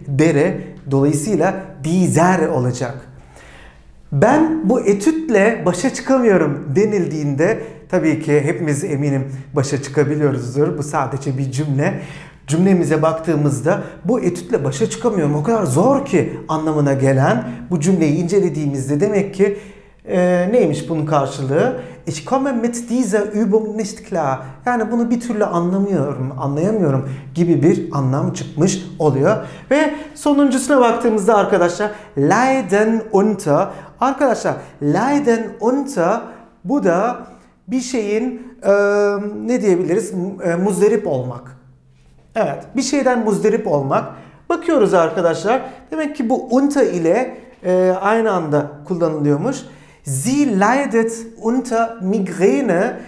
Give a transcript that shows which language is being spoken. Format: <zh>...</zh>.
<tr>Dere, dolayısıyla dieser olacak. Ben bu etütle başa çıkamıyorum denildiğinde tabii ki hepimiz eminim başa çıkabiliyoruzdur. Bu sadece bir cümle. Cümlemize baktığımızda bu etütle başa çıkamıyorum. O kadar zor ki anlamına gelen bu cümleyi incelediğimizde demek ki neymiş bunun karşılığı?</tr> <de>Ich komme mit dieser Übung nicht klar.</de> <tr>Yani bunu bir türlü anlamıyorum, anlayamıyorum gibi bir anlam çıkmış oluyor. Ve sonuncusuna baktığımızda arkadaşlar leiden unter. Arkadaşlar leiden unter bu da bir şeyin ne diyebiliriz? Muzdarip olmak. Evet, bir şeyden muzdarip olmak. Bakıyoruz arkadaşlar. Demek ki bu unter ile aynı anda kullanılıyormuş.</tr> <de>Sie leidet unter Migräne.</de>